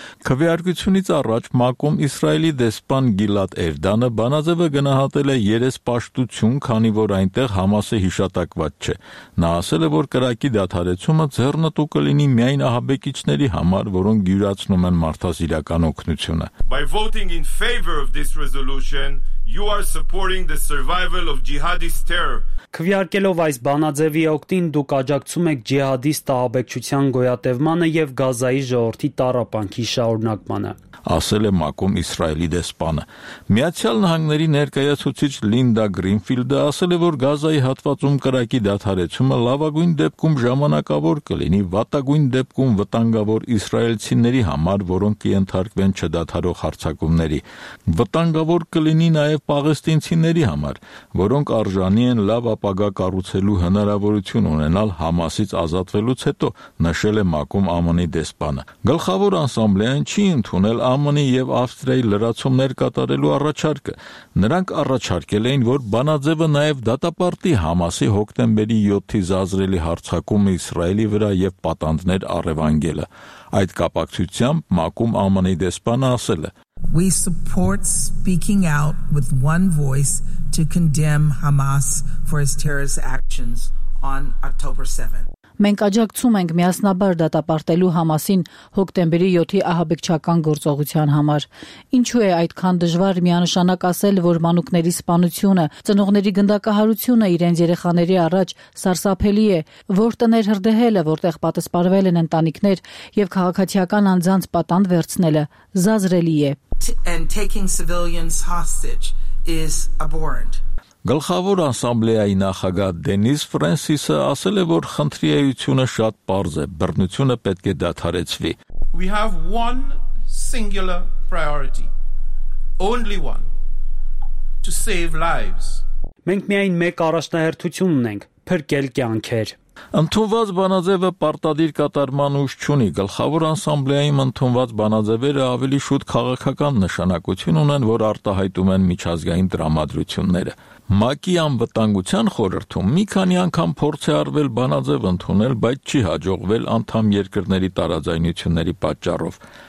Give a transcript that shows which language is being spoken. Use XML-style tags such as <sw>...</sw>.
<hy>Քվեարկությունից առաջ ՄԱԿ-ում Իսրայելի դեսպան Գիլադ Էրդանը բանաձևը գնահատել է երես պաշտություն, քանի որ այնտեղ Համասը հիշատակված չէ։ Նա ասել է, որ կրակի դադարեցումը ձեռնտու կլինի միայն ահաբեկիչների համար, որոնք յուրացնում են մարդասիրական օգնությունը։</hy> <en>By voting in favor of this resolution, you are supporting the survival of jihadist terror.</en> <hy>Քվեարկելով այս բանաձևի օգտին, դուք աջակցում եք ջիհադիստ ահաբեկչության գոյատևմանը եւ Գազայի ժողովրդի տառապանքի շարունակմանը, ասել է ՄԱԿ-ում Իսրայելի դեսպանը։ Միացյալ Նահանգների ներկայացուցիչ Լինդա Գրինֆիլդը ասել է, որ Գազայի հատվածում կրակի դադարեցումը լավագույն դեպքում ժամանակավոր կլինի, վատագույն դեպքում վտանգավոր իսրայելցիների համար, որոնք ենթարկվեն չդադարող հարձակումների։ Վտանգավոր կլինի նաև պաղեստինցիների համար, որոնք արժանի են լավ ապագա կառուցելու հնարավորություն ունենալ Համասից ազատվելուց հետո, նշել է ՄԱԿ-ում ԱՄՆ-ի դեսպանը։ Գլխավոր ասամբլեան չի ընդունել ԱՄՆ-ի եւ Ավստրիայի լրացումներ կատարելու առաջարկը։ Նրանք առաջարկել էին, որ բանաձևը նաև դատապարտի Համասի հոկտեմբերի 7-ի զազրելի հարձակումը Իսրայելի վրա եւ պատանդներ առևանգելը։ Այդ կապակցությամբ ՄԱԿ-ում ԱՄՆ-ի դեսպանը ասել է.</hy> <en>We support speaking out with one voice to condemn Hamas for his terrorist actions on October 7th.</en> <hy>Մենք աջակցում ենք միասնաբար դատապարտելու Համասին հոկտեմբերի 7-ի ահաբեկչական գործողության համար։ Ինչու է այդքան դժվար միանշանակ ասել, որ մանուկների սպանությունը, ծնողների գնդակահարությունը իրենց երեխաների առաջ սարսափելի է, որ տներ հրդեհելը, որտեղ պատսպարվել են ընտանիքներ եւ քաղաքացիական անձանց պատանդ վերցնելը, զազրելի է։ Գլխավոր ասամբլեայի նախագահ Դենիս Ֆրանսիսը ասել է, որ խնդրի էությունը շատ պարզ է, բռնությունը պետք է դադարեցվի։</hy> <en>We have one singular priority, only one, to save lives.</en> <hy>Մենք միայն մեկ առաջնահերթություն ունենք՝ փրկել կյանքեր։ Ընդունված բանաձևը պարտադիր կատարման ուժ չունի։ Գլխավոր ասամբլեայի ընդունված բանաձևերը ավելի շուտ քաղաքական նշանակություն ունեն, որ արտահայտում են միջազգային դրամատրությունները։ ՄԱԿ-ի անվտանգության խորհրդում մի քանի անգամ փորձ է արվել բանաձև ընդունել, բայց չի հաջողվել անդամ երկրների տարաձայնությունների պատճառով։</hy>